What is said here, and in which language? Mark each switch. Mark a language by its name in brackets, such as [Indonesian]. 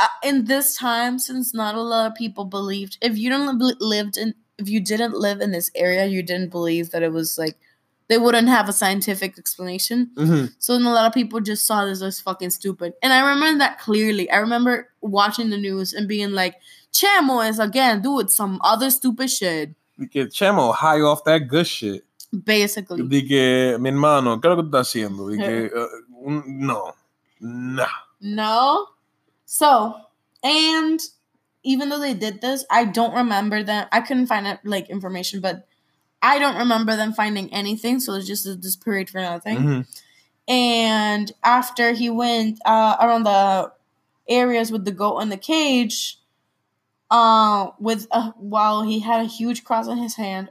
[English] In this time, since not a lot of people believed, if you didn't live in this area, you didn't believe that it was like. They wouldn't have a scientific explanation. Mm-hmm. So then a lot of people just saw this as fucking stupid. And I remember that clearly. I remember watching the news and being like, Chemo is again doing some other stupid shit. Okay, Chemo high off that good shit. Basically. [Spanish] Dije, mi hermano, ¿qué es lo que estás haciendo? Dije, no. Nah. [English] No? So, and even though they did this, I don't remember that. I couldn't find it, like, information, but... I don't remember them finding anything, so it's just this parade for nothing. Mm-hmm. And after he went around the areas with the goat in the cage, while he had a huge cross on his hand.